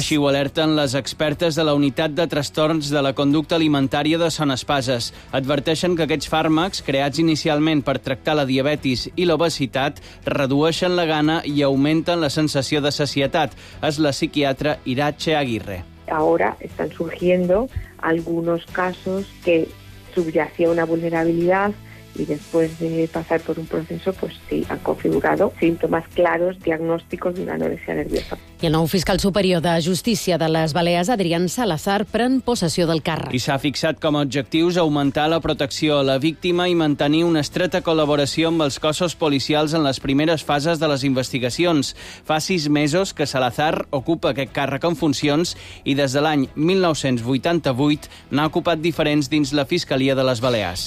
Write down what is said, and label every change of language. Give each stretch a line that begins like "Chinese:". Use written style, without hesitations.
Catalan: Així ho alerten les expertes de la Unitat de Trastorns de la Conducta Alimentària de Son Espases. Adverteixen que aquests fàrmacs, creats inicialment per tractar la diabetis i l'obesitat, redueixen la gana i augmenten la sensació de sacietat. És la psiquiatra Iratxe Aguirre.
Spanish: Ahora están surgiendo algunos casos que subyacía una vulnerabilidad y después de pasar por un proceso, pues sí, han configurado síntomas claros, diagnósticos de una anorexia nerviosa.
Catalan: I el nou fiscal superior de Justícia de les Balears, Adrián Salazar, pren possessió del càrrec. I s'ha fixat com a objectius augmentar la protecció a la víctima i mantenir una estreta col·laboració amb els cossos policials en les primeres fases de les investigacions. Fa 6 mesos que Salazar ocupa aquest càrrec en funcions i des de l'any 1988 n'ha ocupat diferents dins la Fiscalia de les Balears.